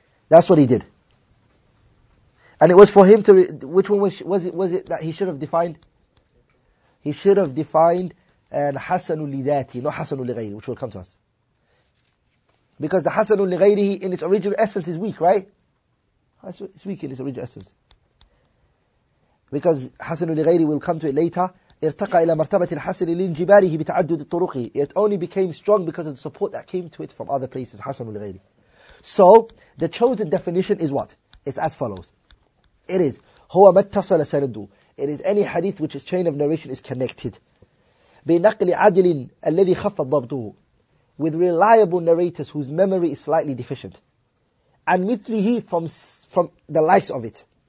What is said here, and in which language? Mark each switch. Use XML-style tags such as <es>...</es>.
<en>That's what he did. And it was for him to, which one was it that he should have defined? He should have defined Hasanul Lidati, not Hasanul Ligayri, which will come to us. Because the Hasanul Ligayri in its original essence is weak, right? It's weak in its original essence. Because Hasanul Ligayri will come to it later.</en> <ar>ارتقى إلى مرتبة الحسن لانجباره بتعدد الطرق.</ar> <en>It only became strong because of the support that came to it from other places. Hasanul Ligayri. So, the chosen definition is what? It's as follows. It is,</en> <ar>هو ما اتصل سنده.</ar> <en>It is any hadith which is chain of narration is connected.</en> <ar>بنقل عدل الذي خف ضبطه.</ar> <en>With reliable narrators whose memory is slightly deficient. And مثله from the likes of it.</en>